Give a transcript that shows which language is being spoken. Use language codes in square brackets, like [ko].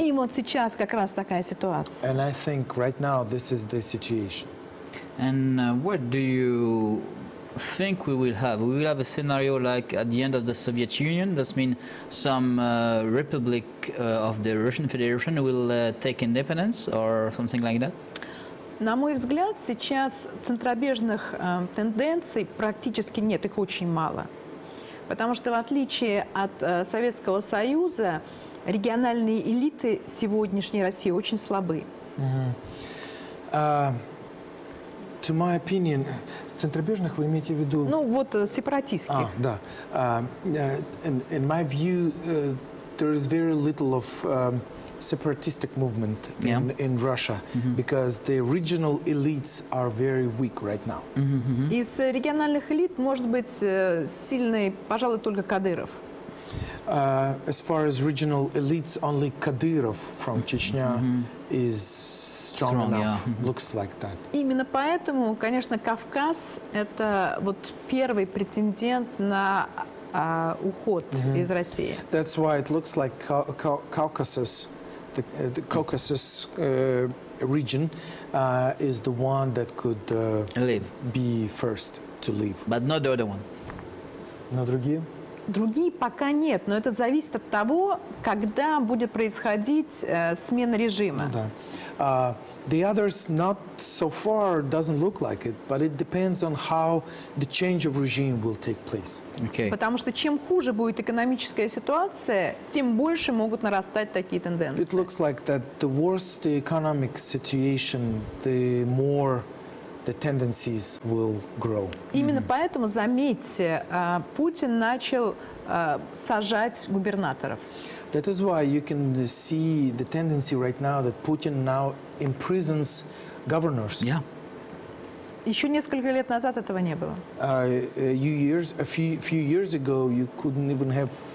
[ru] И вот сейчас как раз такая ситуация. [en] And I think right now this is the situation. And what do you think we will have? We will have a scenario like at the end of the Soviet Union. That means some republic of the Russian Federation will take independence or something like that? [ru] На мой взгляд, сейчас центробежных тенденций практически нет, их очень мало. Потому что в отличие от Советского Союза, региональные элиты сегодняшней России очень слабы. [en] To my opinion, [ru] центробежных вы имеете в виду? Ну, вот сепаратистских. А, да. [en] In my view, there is very little of... separatistic movement in Russia, because the regional elites are very weak right now. [ru] Из региональных элит может быть сильный, пожалуй, только Кадыров. [en] As far as regional elites, only Kadyrov from Chechnya is strong enough. Looks like that. [ru] Именно поэтому, конечно, Кавказ это вот первый претендент на уход из России. [en] That's why it looks like Caucasus. The Caucasus region is the one that could be first to leave. But not the other one. [ru] Но другие? Другие пока нет, но это зависит от того, когда будет происходить смена режима. Да. [en] The others not so far doesn't look like it, but it depends on how the change of regime will take place. Okay. [ru] Потому что чем хуже будет экономическая ситуация, тем больше могут нарастать такие тенденции. [en] It looks like that the worse the economic situation, the more the tendencies will grow. [ru] Именно поэтому заметьте, Путин начал сажать губернаторов. [en] That is why you can see the tendency right now that Putin now imprisons governors. Yeah. [ru] Еще несколько лет назад этого не было. [en] A few years ago you couldn't even have